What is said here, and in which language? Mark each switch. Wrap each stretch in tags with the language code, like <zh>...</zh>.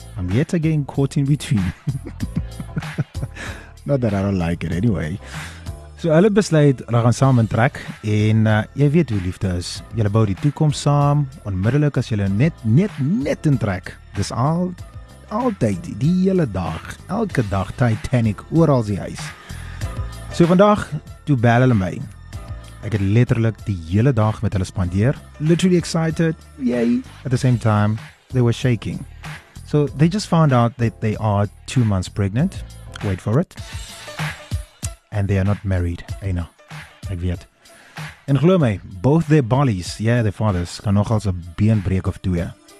<en>I'm yet again caught in between. Not that I don't like it anyway.</en> <af>So hulle besluit, hulle gaan saam in trek, en jy weet hoe liefde is. Julle bou die toekoms saam, onmiddellik as julle net in trek. Dis altyd die hele dag, elke dag Titanic, oral die huis. So vandag, toe bel hulle my. Ek het letterlik die hele dag met hulle spandeer.</af> <en>Literally excited, yay. At the same time, they were shaking. So they just found out that they are 2 months pregnant. Wait for it. And they are not married,</en> <af>Eina. Ek weet. En geloof my,</af> <en>both their bodies, yeah, their fathers,</en> <af>kan nog als 'n been breek of twee.</af>